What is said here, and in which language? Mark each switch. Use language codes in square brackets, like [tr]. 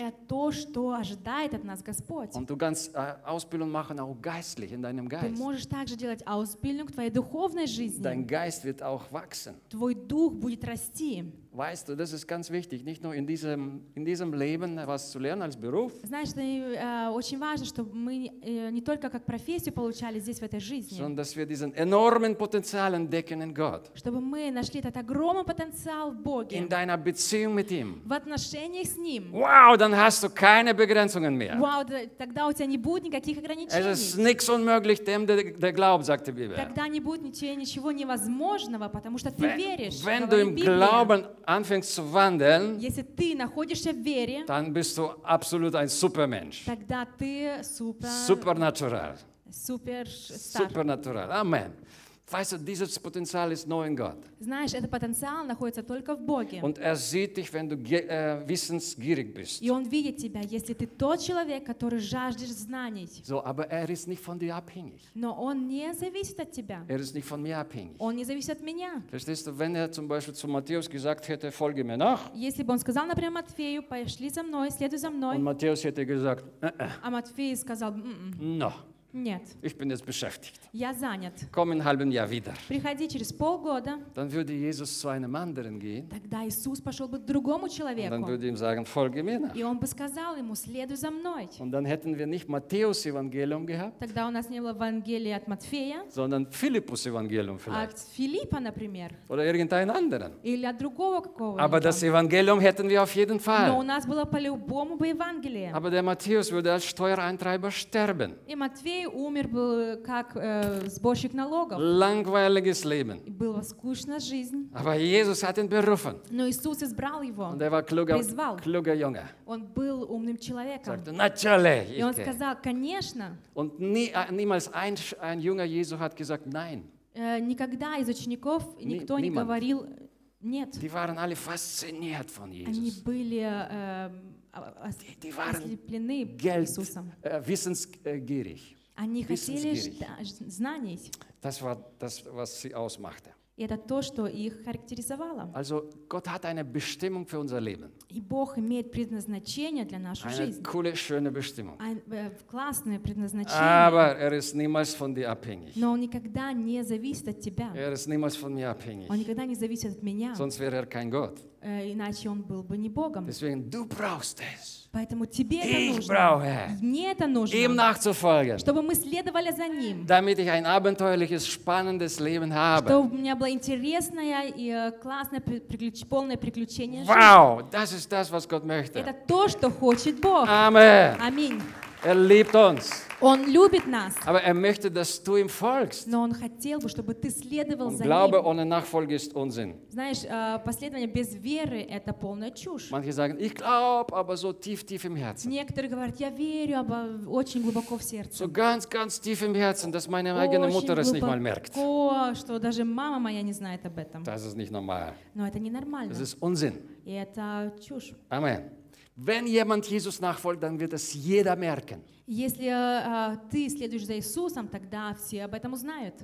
[ru] Это что ожидает от нас Господь. [de] Und du kannst Ausbildung machen auch geistlich in deinem Geist. [ru] Ты можешь также делать Ausbildung в твоей духовной жизни. [de] Dein Geist wird auch wachsen. [ru] Твой дух будет расти. [de] Weißt du, das ist ganz wichtig, nicht nur in diesem Leben was zu lernen als Beruf. [ru] Знаешь, очень важно, чтобы мы не только как профессию получали здесь в этой жизни, [de] sondern dass wir diesen enormen Potenzial entdecken in Gott. [ru] Чтобы мы нашли этот огромный потенциал в Боге. [de] In deiner Beziehung mit ihm. [ru] В отношениях с ним. [de] Wow, dann hast du keine Begrenzungen mehr. [ru] Wow, тогда у тебя не будет никаких ограничений. [de] Es ist nichts unmöglich dem, der glaubt, sagt die Bibel. [ru] Тогда не будет ничего невозможного, потому что ты веришь. [de] Wenn du im Glauben anfängst zu wandeln, [ru] если ты находишься в вере, [de] dann bist du absolut ein Supermensch. [ru] Тогда ты супер. [en] Supernatural. Superstar. Supernatural. Amen. [de] Weißt du, dieses Potenzial ist nur in Gott. [ru] Знаешь, этот потенциал находится только в Боге. [de] Und sieht dich, wenn du wissensgierig bist. [ru] И он видит тебя, если ты тот человек, который жаждешь знаний. [de] So, aber ist nicht von dir abhängig. [ru] Но он не зависит от тебя. [de] Ist nicht von mir abhängig. [ru] Он не зависит от меня. [de] Verstehst du, wenn zum Beispiel zu Matthäus gesagt hätte, folge mir nach. [ru] Если бы он сказал, например, Матфею, пошли за мной, следуй за мной. [de] Und Matthäus hätte gesagt, [ru] А Матфей сказал, [en] No. [ru] Нет. [de] Ich bin jetzt beschäftigt. [ru] Я занят. [de] Komm in halben Jahr wieder. [ru] Приходи через полгода. [de] Dann würde Jesus zu einem anderen gehen. [ru] Тогда Иисус пошел бы к другому человеку. [de] Und dann würde ihm sagen, folge mir nach. [ru] И он бы сказал ему, следуй за мной. [de] Und dann hätten wir nicht Matthäus Evangelium gehabt. [ru] Тогда у нас не было Евангелия от Матфея. [de] Sondern Philippus Evangelium vielleicht. [ru] От Филиппа, например. [de] Oder irgendein anderen. [ru] Или от другого какого-то. [de] Aber das Evangelium hätten wir auf jeden Fall. [ru] Но у нас было по-любому бы Евангелие. [de] Aber der Matthäus würde als Steuereintreiber sterben. [ru] И Матфей умер был как сборщик налогов. [de] Langweiliges Leben. [ru] Была скучная жизнь. [de] Aber Jesus hat ihn berufen. [ru] Но Иисус избрал его. [de] Und war [ru] призвал. [de] Kluger Junge. [ru] Он был умным человеком. [de] Sagte, natürlich. [ru] И он сказал, конечно. [de] Und niemals ein Jünger Jesu hat gesagt, nein. [ru] Никогда из учеников никто не говорил нет. [de] Die waren alle fasziniert von Jesus. [ru] Они были ослеплены Иисусом. [de] Wissensgierig. [ru] Они хотели знаний. [de] Das war das, was sie ausmachte. [ru] И это то, что их характеризовало. [de] Also, Gott hat eine Bestimmung für unser Leben. [ru] И Бог имеет предназначение для нашей [de] eine [ru] жизни. [de] Coole, schöne Bestimmung. [ru] Классное предназначение. [de] Aber ist niemals von dir abhängig. [ru] Но он никогда не зависит от тебя. [de] Ist niemals von mir abhängig. [ru] Он никогда не зависит от меня. [de] Sonst wäre kein Gott. [ru] Иначе он был бы не Богом. [de] Deswegen, du brauchst es. [ru] Поэтому тебе это [de] ich [ru] нужно. [de] Brauche. [ru] Мне это нужно. [de] Ihm nachzufolgen. [ru] Чтобы мы следовали за ним. [de] Damit ich ein abenteuerliches, spannendes Leben habe. [ru] Чтобы у меня было интересное и классное полное приключение. [de] Wow, das ist das, was Gott möchte. [ru] Это то, что хочет Бог. Amen. Аминь. [de] Er liebt uns. [ru] Он любит нас. [de] Aber er möchte, dass du ihm folgst. [ru] Но он хотел бы, чтобы ты следовал [de] Und [ru] за [de] glaube, [ru] ним. [de] Ohne Nachfolge ist Unsinn. [ru] Знаешь, последование без веры – это полная чушь. [de] Manche sagen, ich glaub, aber so tief, tief im Herzen. [ru] Некоторые говорят, я верю, aber очень глубоко в сердце. [de] So ganz, ganz tief im Herzen, dass meine eigene Mutter es nicht mal merkt. [ru] Очень глубоко, что даже мама моя не знает об этом. [de] Das ist nicht normal. [ru] Но это не нормально. [de] Das ist Unsinn. [ru] И это чушь. Amen. [de] Wenn jemand Jesus nachfolgt, dann wird es jeder merken. [ru] Если ты следуешь за Иисусом, тогда все об этом узнают.